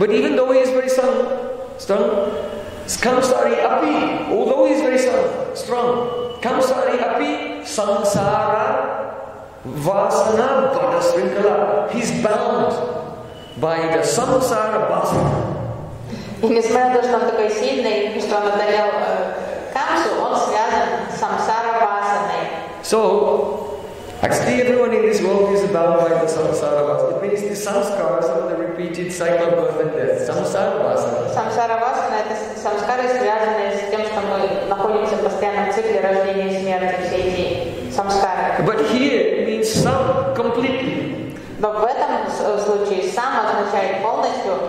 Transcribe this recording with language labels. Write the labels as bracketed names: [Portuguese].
[English] But even though he is very strong, Kamsari api, although he is very strong, [Sanskrit] Kamsari api, samsara, vasana, bada srinkala. [English] He's bound by the samsara vasana. [Russian] И несмотря на то, что он такой сильный, что он одолел Kamsu, он связан с самсара васаной. [English] So, actually everyone in this world is bound by the samsara vasana. It means the samskaras of the repeated cycle of birth and death. [Sanskrit] Samsara vasana. [Russian] Samsara vasana – это самскары, связанные с тем, что мы находимся в постоянном цикле рождения и смерти, все эти самскары. [English] But here it means сам completely. [Russian] Но в этом случае сам означает полностью.